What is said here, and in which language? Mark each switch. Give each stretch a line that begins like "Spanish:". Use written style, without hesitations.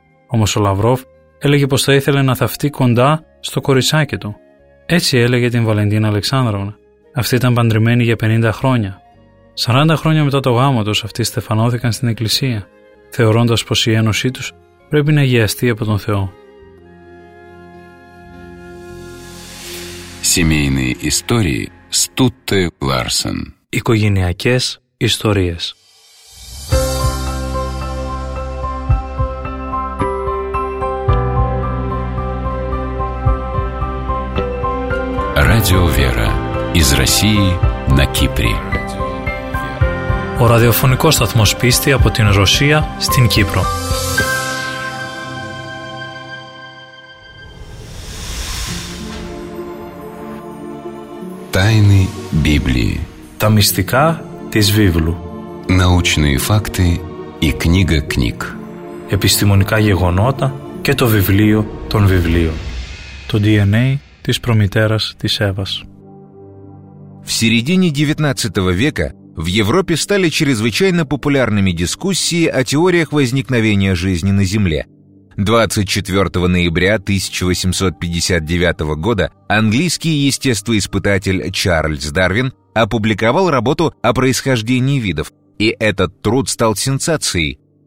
Greek: Όμως ο Λαυρόφ έλεγε πως θα ήθελε να θαυτεί κοντά στο κοριτσάκι του. Έτσι έλεγε την Βαλεντίνα Αλεξάνδραυνα. Αυτή ήταν παντρεμένη για 50 χρόνια. 40 χρόνια μετά το γάμο τους αυτοί στεφανώθηκαν στην εκκλησία, θεωρώντας πως η ένωσή τους πρέπει να αγιαστεί από τον Θεό.
Russian: Семейные истории Стутте Ларсен.
Greek: Οικογενειακές ιστορίες.
Russian: Радио Вера. Из России на Кипре.
Greek: Ο ραδιοφωνικός σταθμός πίστη από την Ρωσία στην Κύπρο.
Russian: Тайны Библии.
Greek: Τα μυστικά της Βίβλου.
Russian: Научные факты и книга книг.
Greek: Επιστημονικά γεγονότα και το βιβλίο των βιβλίων. Το DNA της προμητέρας της Εύας.
Russian: В середине 19 века в Европе стали чрезвычайно популярными дискуссии о теориях возникновения жизни на Земле. 24 ноября 1859 года английский естествоиспытатель Чарльз Дарвин опубликовал работу о происхождении видов, и этот труд стал сенсацией.